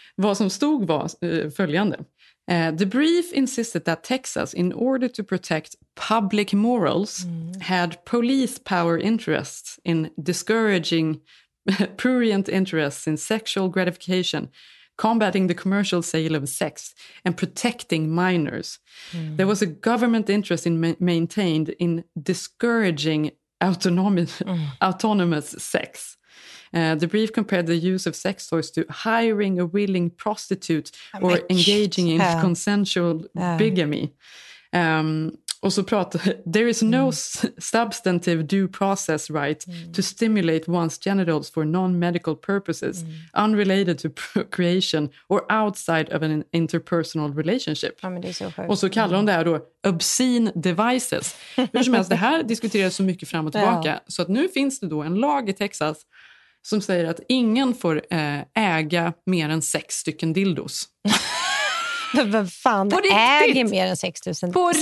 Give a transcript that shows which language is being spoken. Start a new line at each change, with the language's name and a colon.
Swedish: Vad som stod var följande.
English: The brief insisted that Texas, in order to protect public morals, had police power interests in discouraging prurient interests in sexual gratification. combating the commercial sale of sex and protecting minors. Mm. There was a government interest in maintained in discouraging autonomous sex. The brief compared the use of sex toys to hiring a willing prostitute or engaging in consensual bigamy. Also there is no substantive due process right to stimulate one's genitals for non-medical purposes unrelated to procreation or outside of an interpersonal relationship.
Swedish: Ja, men det är så sjukt. Och så kallar de det här då
English: obscene devices.
Swedish: Hur som helst, det här diskuteras så mycket fram och tillbaka. Ja. Så att nu finns det då en lag i Texas som säger att ingen får äga mer än 6 dildos. Vem fan äger mer än 6000?